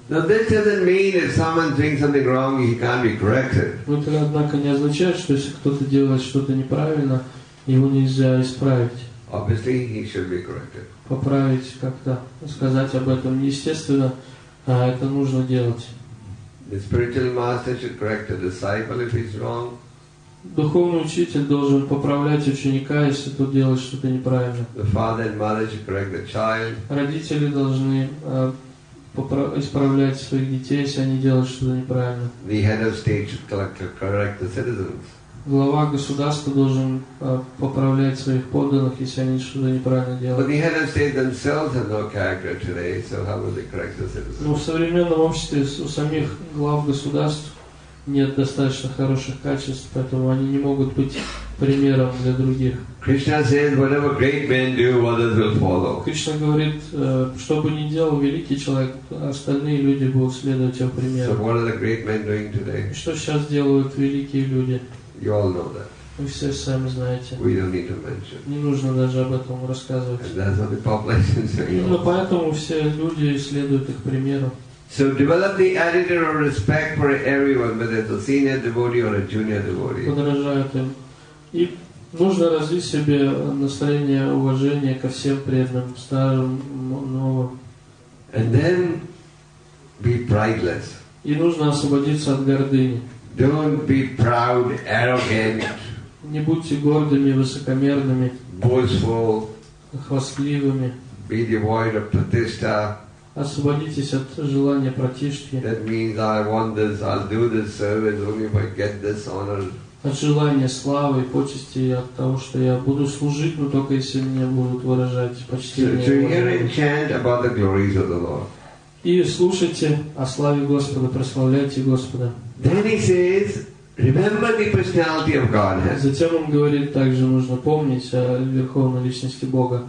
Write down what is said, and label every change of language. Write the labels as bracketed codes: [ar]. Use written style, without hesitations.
[en] Now this doesn't mean if someone doing something wrong, he can't be corrected. [ru] Это, однако, не означает, что если кто-то делает что-то неправильно, его нельзя исправить. [en] Obviously, he should be corrected. [ru] Поправить как-то, сказать об этом, естественно, это нужно делать. [en] The spiritual master should correct the disciple if he's wrong. [ru] Духовный учитель должен поправлять ученика, если тот делает что-то неправильно. [en] The father and mother should correct the child. [ru] Родители должны исправлять своих детей, если они делают что-то неправильно. [en] The head of state should correct the citizens. [ru] Глава государства должен поправлять своих подданных, если они что-то неправильно делают. [en] But the head of state themselves have no character today, so how will they correct the citizens? [ru] Но в современном обществе у самих глав государств нет достаточно хороших качеств, поэтому они не могут быть примером для других. [en] Krishna says, whatever great men do, others will follow. [ru] Кришна говорит, что бы ни делал великий человек, остальные люди будут следовать его примеру. [en] So what are the great men doing today? [ru] Что сейчас делают великие люди? [en] You all know that. [ru] Вы все сами знаете. [en] We don't need to mention. [ru] Не нужно даже об этом рассказывать. [en] And that's what the population is saying. [ru] Именно поэтому все люди следуют их примеру. [en] So develop the attitude of respect for everyone, whether it's a senior devotee or a junior devotee. [ru] Подражают им. И нужно развить себе настроение уважения ко всем преданным, старым, новым. [en] And then be prideless. [ru] И нужно освободиться от гордыни. [en] Don't be proud, arrogant. [ru] Не будьте гордыми, высокомерными. [en] Boastful. [ru] Хвастливыми. [en] Be devoid of pratishtha. [ru] Освободитесь от желания пратишки. [en] That means I want this, I'll do this service only if I get this honor. [ru] От желания славы, почести, от того, что я буду служить, но только если мне будут выражать почтение. [en] So, to hear and chant about the glories of the Lord. [ru] И слушайте о славе Господа, прославляйте Господа. [en] Then he says, remember the personality of Godhead. [ru] Затем он говорит, также нужно помнить о верховной личности Бога.